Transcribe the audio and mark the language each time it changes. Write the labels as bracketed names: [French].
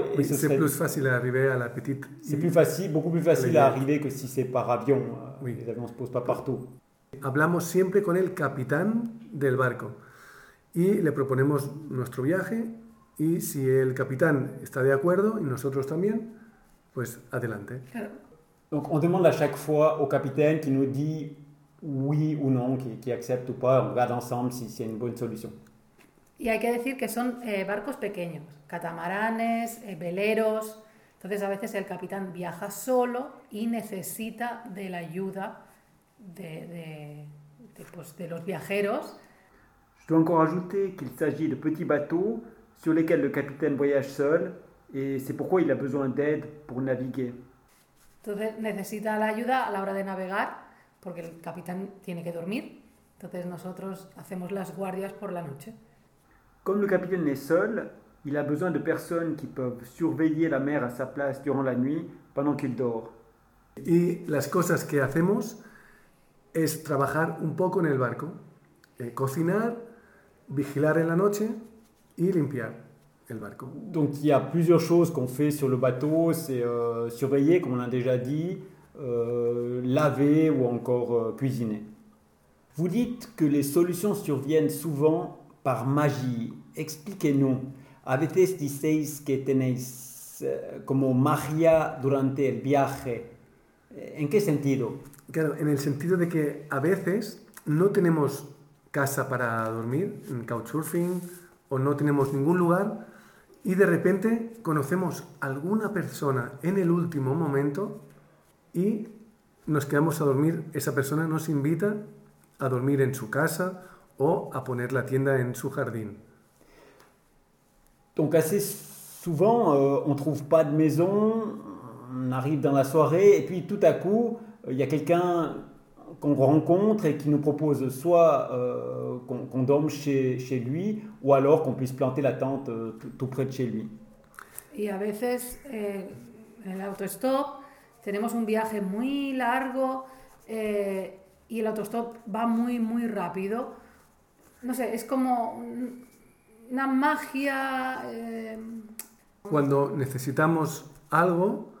[French] Et oui, c'est plus facile d'arriver à la petite. C'est plus facile, beaucoup plus facile à arriver que si c'est par avion. Oui. Les avions ne se posent pas partout. [Spanish] Hablamos siempre con el capitán del barco y le proponemos nuestro viaje y si el capitán está de acuerdo y nosotros también, pues adelante. [French] Donc on demande à chaque fois au capitaine qui nous dit oui ou non, qui accepte ou pas. On regarde ensemble si c'est une bonne solution. [Spanish] Y hay que decir que son barcos pequeños, catamaranes, veleros. Entonces, a veces el capitán viaja solo y necesita de la ayuda de los viajeros. [French] Je dois encore ajouter qu'il s'agit de petits bateaux sur lesquels le capitaine voyage seul et c'est pourquoi il a besoin d'aide pour naviguer. [Spanish] Entonces, necesita la ayuda a la hora de navegar porque el capitán tiene que dormir. Entonces, nosotros hacemos las guardias por la noche. [French] Comme le capitaine est seul, il a besoin de personnes qui peuvent surveiller la mer à sa place durant la nuit pendant qu'il dort. [Spanish] Y las cosas que hacemos es trabajar un poco en el barco, cocinar, vigilar en la noche y limpiar el barco. [French] Donc il y a plusieurs choses qu'on fait sur le bateau, c'est surveiller comme on a déjà dit, laver ou encore cuisiner. Vous dites que les solutions surviennent souvent par magie. Expliquez-nous. [Spanish] A veces diceis que tenéis como magia durante el viaje. ¿En qué sentido? Claro, en el sentido de que a veces no tenemos casa para dormir, en couchsurfing, o no tenemos ningún lugar, y de repente conocemos alguna persona en el último momento y nos quedamos a dormir. Esa persona nos invita a dormir en su casa o a poner la tienda en su jardín. [French] Donc assez souvent, on ne trouve pas de maison, on arrive dans la soirée, et puis tout à coup, il y a quelqu'un qu'on rencontre et qui nous propose soit qu'on dorme chez lui, ou alors qu'on puisse planter la tente tout près de chez lui. [Spanish] Et à veces, en l'autostop, tenemos un viaje muy largo, y el autostop va muy, muy rápido. No sé, es como una magia. Cuando necesitamos algo,